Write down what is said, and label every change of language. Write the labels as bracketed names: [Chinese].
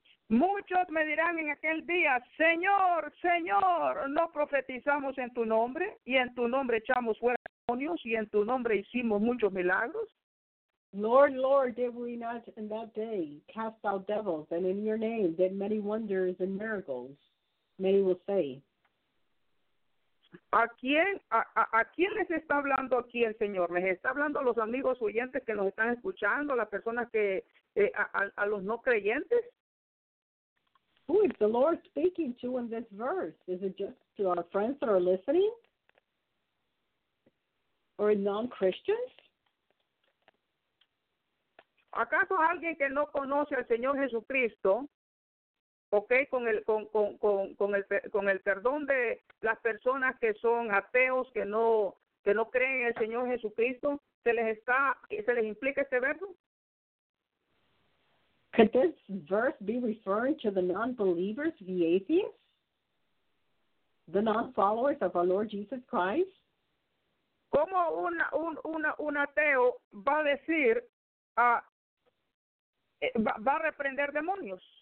[Spanish] Muchos me dirán en aquel día, Señor, Señor, ¿no profetizamos en tu nombre? Y en tu nombre echamos fuera demonios, y en tu nombre hicimos muchos milagros. [English] Lord, Lord, did we not in that day cast out devils, and in your name did many wonders and miracles? Many will say. [Spanish] ¿A quién les está hablando aquí el Señor? ¿Les está hablando a los amigos oyentes que nos están escuchando, a las personas que, a los no creyentes? [English] Who is the Lord speaking to in this verse? Is it just to our friends that are listening? Or non-Christians? [Spanish] ¿Acaso alguien que no conoce al Señor Jesucristo? Okay, con el perdón de las personas que son ateos, que no creen en el Señor Jesucristo, se les implica este verso? [English] Could this verse be referring to the non-believers, the atheists, the non-followers of our Lord Jesus Christ? [Spanish] ¿Cómo un ateo va a decir, va a reprender demonios?